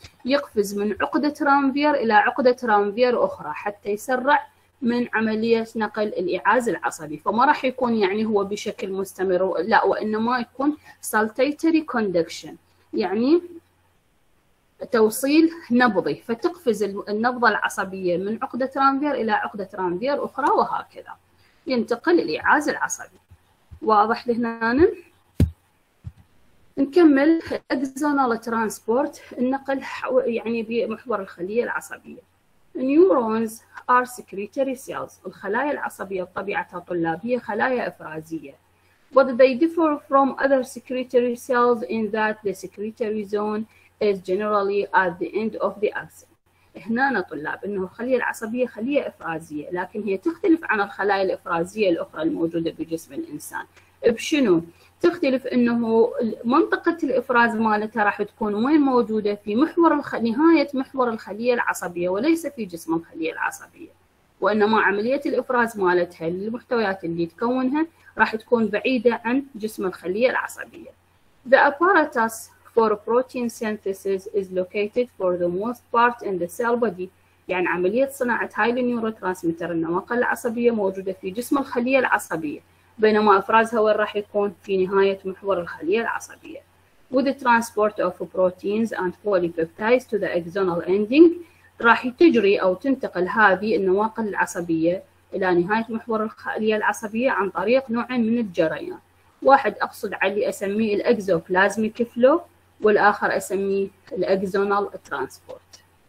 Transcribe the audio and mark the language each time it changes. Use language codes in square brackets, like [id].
[ar] يقفز من عقدة رانفير إلى عقدة رانفير أخرى حتى يسرع من عملية نقل الإعاز العصبي، فما راح يكون يعني هو بشكل مستمر، لا، وإنما يكون سالتيتري كوندكشن، يعني توصيل نبضي، فتقفز النبضة العصبية من عقدة رانفير إلى عقدة رانفير أخرى وهكذا ينتقل الإعاز العصبي. واضح لهنا؟ نكمل اكزونال ترانسبورت، النقل يعني بمحور الخلية العصبية. [en] Neurons are secretory cells. [ar] الخلايا العصبية بطبيعتها طلابية خلايا إفرازية. [en] But they differ from other secretory cells in that the secretory zone is generally at the end of the axon. [ar] هنا طلاب إنه الخلية العصبية خلية إفرازية، لكن هي تختلف عن الخلايا الإفرازية الأخرى الموجودة بجسم الإنسان. بشنو؟ تختلف إنه منطقة الإفراز مالتها راح تكون وين موجودة؟ في محور نهاية محور الخلية العصبية وليس في جسم الخلية العصبية، وإنما عملية الإفراز مالتها للمحتويات اللي تكونها راح تكون بعيدة عن جسم الخلية العصبية. [en] The apparatus for protein synthesis is located for the most part in the cell body. [ar] يعني عملية صناعة هاي النيورو ترانسميتر النواقل العصبية موجودة في جسم الخلية العصبية، بينما إفرازها وين راح يكون؟ في نهاية محور الخلية العصبية. [en] With the transport of proteins and polypeptides to the axonal ending [ar] راح تجري أو تنتقل هذه النواقل العصبية إلى نهاية محور الخلية العصبية عن طريق نوع من الجريان، واحد أقصد علي أسميه الأكزوبلازميك فلو والآخر أسميه الأكزونال ترانسبورت.